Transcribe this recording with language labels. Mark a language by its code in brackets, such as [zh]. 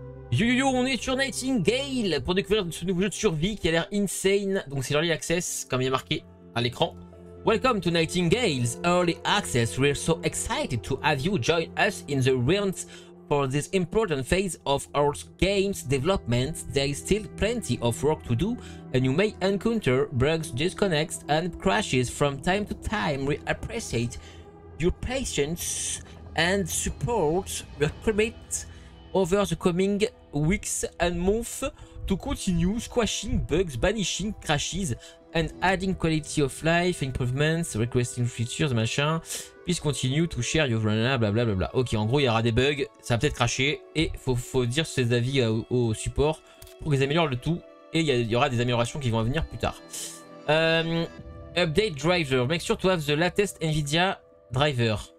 [fr] Yo yo yo, on est sur Nightingale pour découvrir ce nouveau jeu de survie qui a l'air insane. Donc c'est l'Early Access, comme il y a marqué à l'écran. [en] Welcome to Nightingale's Early Access. We're so excited to have you join us in the realms for this important phase of our game's development. There is still plenty of work to do and you may encounter bugs, disconnects and crashes from time to time. We appreciate your patience and support. We commit over the coming weeks and months to continue squashing bugs, banishing crashes and adding quality of life improvements, requesting features, machin. Please continue to share your run, blablabla. [fr] Ok, en gros, il y aura des bugs, ça va peut-être crasher et faut dire ses avis au support pour qu'ils améliorent le tout et il y aura des améliorations qui vont venir plus tard. [en] Update driver, make sure to have the latest Nvidia driver.